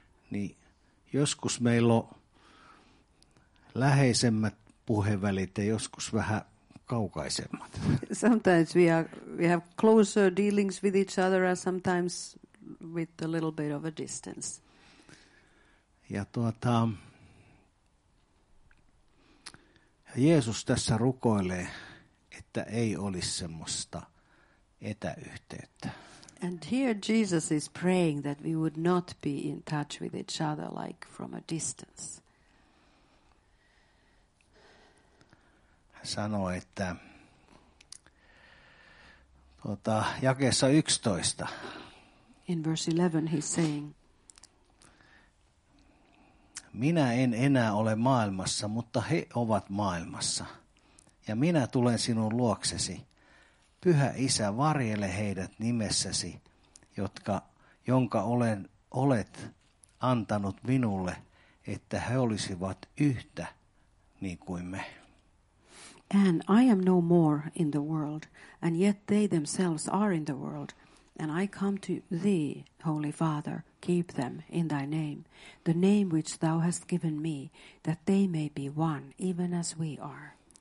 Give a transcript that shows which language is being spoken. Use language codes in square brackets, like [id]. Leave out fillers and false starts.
[fi] Niin joskus meillä on läheisemmät puhevälit ja joskus vähän kaukaisemmat. [en] Sometimes we have closer dealings with each other and sometimes with a little bit of a distance. [fi] Ja Jeesus tässä rukoilee, että ei olisi semmoista etäyhteyttä. [en] And here Jesus is praying that we would not be in touch with each other like from a distance. [fi] Hän sanoi, että jakeessa 11. [en] In verse 11 he's saying, [fi] minä en enää ole maailmassa, mutta he ovat maailmassa. Ja minä tulen sinun luoksesi. Pyhä Isä, varjele heidät nimessäsi, jonka olet antanut minulle, että he olisivat yhtä niin kuin me. [en] And I am no more in the world, and yet they themselves are in the world. And I come to thee, Holy Father, keep them in thy name, the name which thou hast given me, that they may be one, even as we are.